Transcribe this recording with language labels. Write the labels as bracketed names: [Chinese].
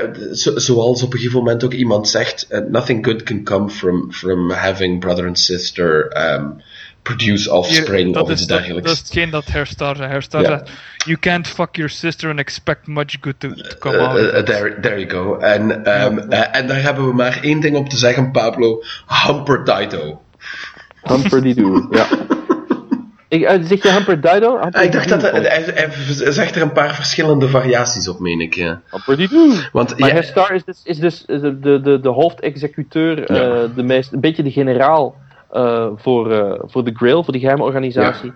[Dutch] Zoals op een gegeven moment ook iemand zegt, [English] nothing good can come from having brother and sister produce offspring [Dutch] of iets dergelijks. Dat is hetgeen dat herstart. Yeah. [English] You can't fuck your sister and expect much good to come out. There you go. [Dutch] En daar hebben we maar één ding op te zeggen, Pablo. Humperdido. Humperdido, ja. Zeg je Humperdido? Ik dacht dat hij zegt er een paar verschillende variaties op, meen ik. Humperdido. Maar herstart is dus de hoofdexecuteur, de meest, een beetje de generaal voor de Grail, voor die geheime organisatie.